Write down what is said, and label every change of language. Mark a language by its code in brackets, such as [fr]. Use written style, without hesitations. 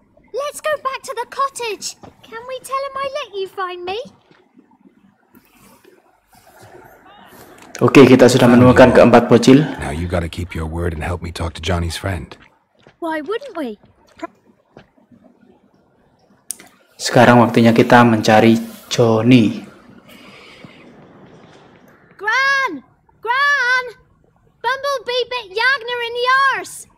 [en] Let's go back to the cottage. Can we tell him I let you find me? [id] Oke, kita sudah menemukan keempat bocil. [en] Now you gotta keep your word and help me talk to Johnny's friend. Why wouldn't we? [id] Sekarang waktunya kita mencari Johnny. [en] Gran! Gran! Bumblebee bit Yagner in the arse!